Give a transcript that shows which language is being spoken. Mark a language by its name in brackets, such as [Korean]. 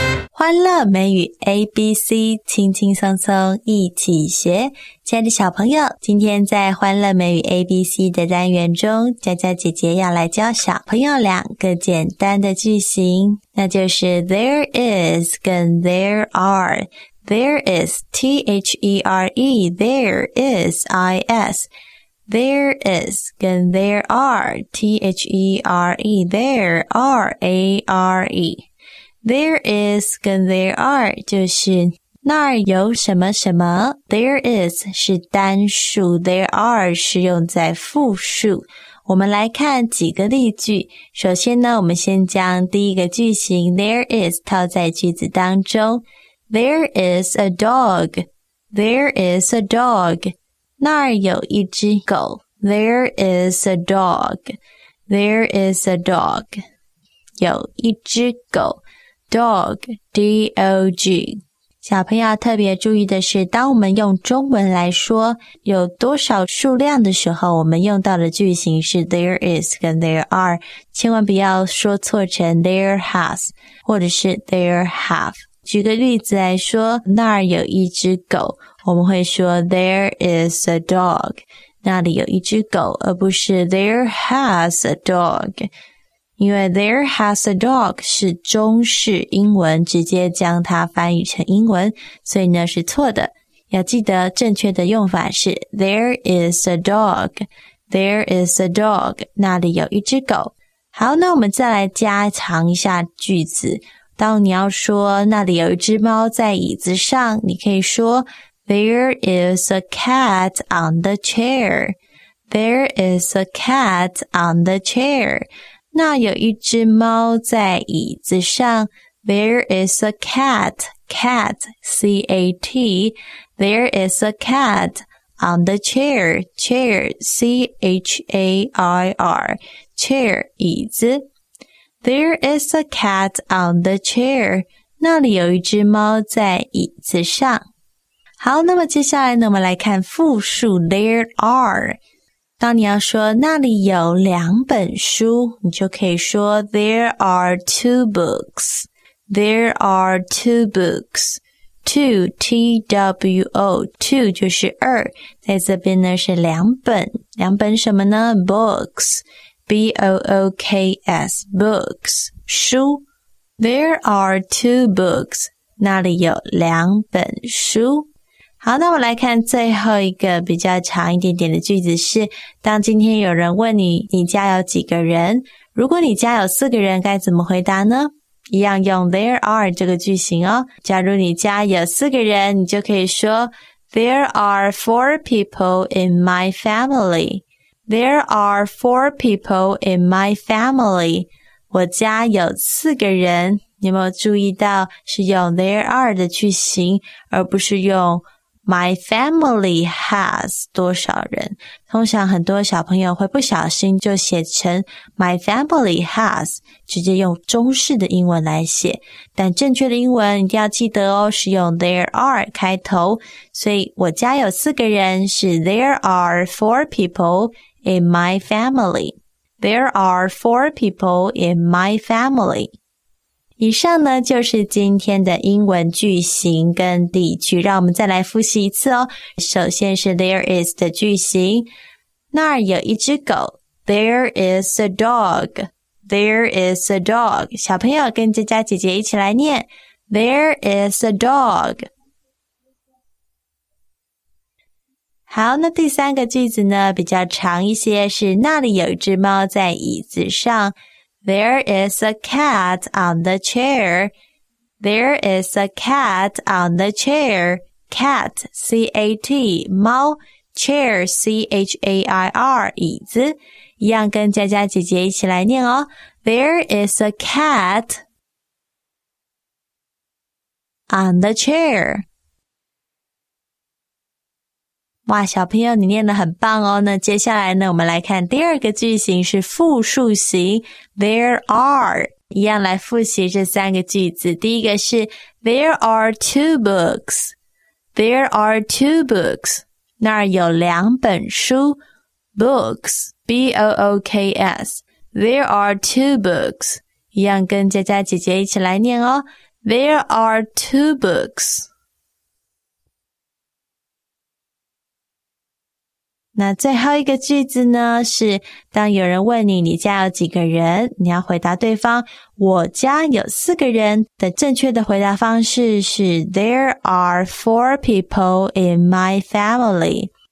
[Chinese] 欢乐美语 ABC， 轻轻松松一起学。亲爱的小朋友，今天在欢乐美语 ABC 的单元中，佳佳姐姐要来教小朋友两个简单的句型，那就是 [English] there is [Chinese] 跟 [English] there are。 there is T-H-E-R-E， there is I-S。 there is [Chinese] 跟 [English] there are T-H-E-R-E， there are A-R-E。 There is [Chinese] 跟 [English] there are [Chinese] 就是那儿有什么什么。 [English] There is [Chinese] 是单数， [English] there are [Chinese] 是用在复数。我们来看几个例句。首先呢，我们先将第一个句型 [English] there is [Chinese] 套在句子当中。 [English] There is a dog， there is a dog， [Chinese] 那儿有一只狗。 [English] There is a dog， there is a dog， [Chinese] 有一只狗。 [English] Dog, D-O-G。 [Chinese] 小朋友特别注意的是，当我们用中文来说有多少数量的时候，我们用到的句型是 [English] there is [Chinese] 跟 [English] there are， [Chinese] 千万不要说错成 [English] there has [Chinese] 或者是 [English] there have。 [Chinese] 举个例子来说，那儿有一只狗，我们会说 [English] there is a dog， [Chinese] 那里有一只狗，而不是 [English] there has a dog。 [Chinese] 因为 [English] there has a dog [Chinese] 是中式英文，直接将它翻译成英文，所以呢是错的。要记得正确的用法是 [English] there is a dog， there is a dog， [Chinese] 那里有一只狗。好，那我们再来加长一下句子。当你要说那里有一只猫在椅子上，你可以说 [English] there is a cat on the chair， [Chinese] there is a cat on the chair，那有一只猫在椅子上。 [English] There is a cat, cat, C-A-T, there is a cat on the chair, chair, C-H-A-I-R, chair, [Chinese] 椅子。 [English] There is a cat on the chair, [Chinese] 那里有一只猫在椅子上。好，那么接下来呢，我们来看复数 [English] there are。 [Chinese] 当你要说那里有两本书，你就可以说 [English] there are two books， there are two books， two T-W-O， two [Chinese] 就是二，在这边呢是两本，两本什么呢？ [English] books， B-O-O-K-S， books， [Chinese] 书。 [English] there are two books， [Chinese] 那里有两本书。好，那我们来看最后一个比较长一点点的句子是，当今天有人问你，你家有几个人？如果你家有四个人，该怎么回答呢？一样用 [English] there are [Chinese] 这个句型哦。假如你家有四个人，你就可以说 [English] There are four people in my family. There are four people in my family. [Chinese] 我家有四个人。你有没有注意到是用 [English] there are [Chinese] 的句型，而不是用 [English] My family has [Chinese] 多少人？通常很多小朋友会不小心就写成 [English] My family has， [Chinese] 直接用中式的英文来写。但正确的英文一定要记得哦，是用 [English] there are [Chinese] 开头。所以我家有四个人是 [English] There are four people in my family. [Chinese] There are four people in my family. 以上呢就是今天的英文句型跟例句，让我们再来复习一次哦。首先是 [English] there is [Chinese] 的句型，那儿有一只狗 ， [English] there is a dog，there is a dog。 [Chinese] 小朋友跟佳佳姐姐一起来念 ， [English] there is a dog。 [Chinese] 好，那第三个句子呢比较长一些，是那里有一只猫在椅子上。 [English] There is a cat on the chair. There is a cat on the chair. Cat, C-A-T, [Chinese] 猫 [English] chair, C-H-A-I-R, [Chinese] 椅子。一样跟佳佳姐姐一起来念哦。 [English] There is a cat on the chair. [Chinese] 哇，小朋友你念得很棒哦。那接下来呢，我们来看第二个句型是复数型 [English] There are， [Chinese] 一样来复习这三个句子。第一个是 [English] There are two books， There are two books， [Chinese] 那儿有两本书 [English] Books B-O-O-K-S， There are two books， [Chinese] 一样跟佳佳姐姐一起来念哦。 [English] There are two booksNow, [Chinese] 最后一个句子呢是当有人问你你家有几个人，你要回答对方我家有四个人的正确的回答方式是 [English] There are four people in my family.